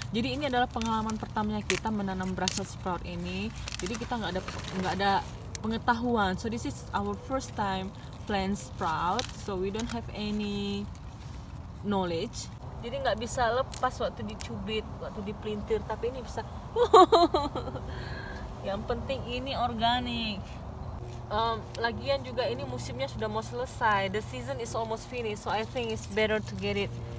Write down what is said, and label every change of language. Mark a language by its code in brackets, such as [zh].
[id] Jadi ini adalah pengalaman pertamanya kita menanam Brussels sprout ini. Jadi kita nggak ada pengetahuan. [en] So this is our first time plant sprout. So we don't have any knowledge. [id] Jadi nggak bisa lepas waktu dicubit, waktu dipelintir. Tapi ini bisa. Yang penting ini organik. Lagian juga ini musimnya sudah mau selesai. [en] The season is almost finished, so I think it's better to get it.